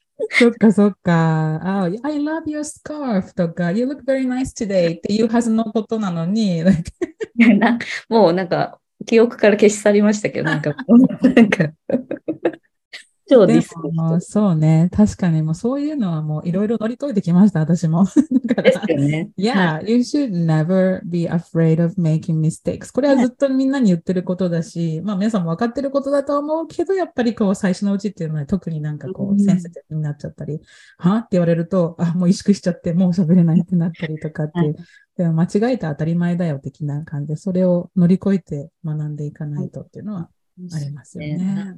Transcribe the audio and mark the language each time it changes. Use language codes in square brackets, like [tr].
[ja] そっかそっか。 [en] Oh, I love your scarf [ja] とか、 [en] You look very nice today [ja] っていうはずのことなのに、もうなんか、記憶から消し去りましたけど、なんか、なんか。そうですね。もうそうね。確かに、もうそういうのはもういろいろ乗り越えてきました、私も。ですよね。 [en] Yeah,、 [ja] はい、 [en] you should never be afraid of making mistakes. [ja] これはずっとみんなに言ってることだし、まあ皆さんも分かってることだと思うけど、やっぱりこう最初のうちっていうのは特になんかこうセンシティブになっちゃったり、はって言われると、あ、もう萎縮しちゃって、もう喋れないってなったりとかっていう。はい、でも間違えた当たり前だよ的な感じで、それを乗り越えて学んでいかないとっていうのはありますよね。